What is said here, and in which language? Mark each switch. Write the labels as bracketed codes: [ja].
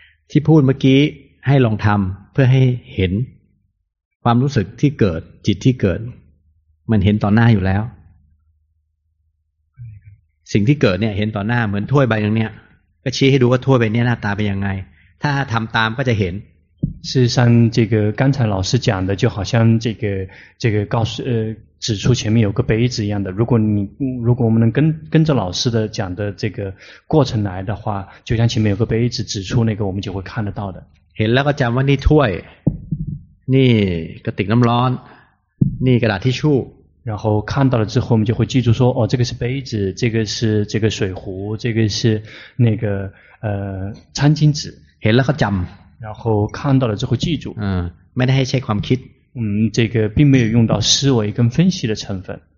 [th] ที่พูดเมื่อกี้ให้ลองทำเพื่อให้เห็นความรู้สึกที่เกิดจิตที่เกิดมันเห็นต่อหน้าอยู่แล้วสิ่งที่เกิดเนี่ยเห็นต่อหน้าเหมือนถ้วยใบนึงเนี่ยก็ชี้ให้ดูว่าถ้วยใบนี้หน้าตาเป็นยังไงถ้าทำตามก็จะเห็น [zh] 事实上这个刚才老师讲的就好像这个告诉指出前面有个杯子一样的，如果我们能跟着老师的讲的这个过程来的话，就像前面有个杯子指出那个，我们就会看得到的。 [th] เห็นแล้วก็จำว่านี่ถ้วยนี่กระติกน้ำร้อนนี่กระดาษทิชชู่ [zh] 然后看到了之后，我们就会记住说，哦，这个是杯子，这个是这个水壶，这个是那个餐巾纸。 [th] เห็นแล้วก็จำ [zh] 然后看到了之后记住。 [th] ไม่ได้ให้ใช้ความคิด [zh] 这个并没有用到思维跟分析的成分。